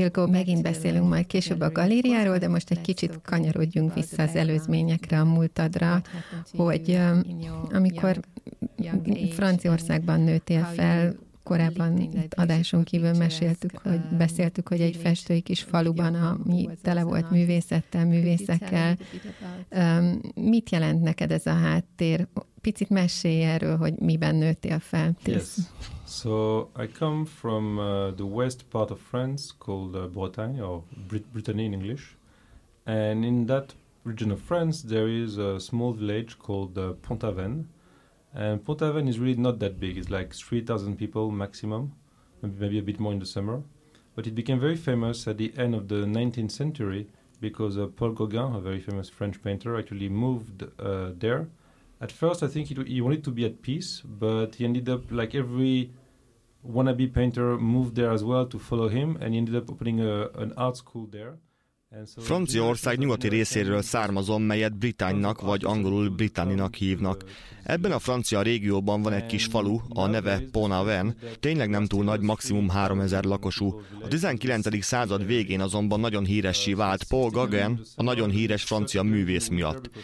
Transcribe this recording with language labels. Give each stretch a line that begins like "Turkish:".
Hungarian: Megint beszélünk majd később a galériáról, de most egy kicsit kanyarodjunk vissza az előzményekre, a múltadra, hogy amikor Franciaországban nőttél fel, korábban itt adáson kívül meséltük, hogy beszéltük, hogy egy festői kis faluban, ami tele volt művészettel, művészekkel. Mit jelent neked ez a háttér? Picit mesélj erről, hogy miben nőttél fel.
English: So I come from the west part of France called Bretagne or Brittany in English, and in that region of France there is a small village called Pont-Aven, and Pont-Aven is really not that big. It's like 3,000 people maximum, maybe a bit more in the summer, but it became very famous at the end of the 19th century because Paul Gauguin, a very famous French painter, actually moved there. At first, I think he wanted to be at peace, but he ended up, like every wannabe painter, moved there as well to follow him, and he ended up opening an art school there.
Hungarian: Franciaország nyugati részéről származom, melyet Británynak vagy angolul Britanninak hívnak. Ebben a francia régióban van egy kis falu, a neve Pont-Aven, tényleg nem túl nagy, maximum 3000 lakosú. A 19. század végén azonban nagyon híressé vált Paul Gauguin, a nagyon híres francia művész miatt.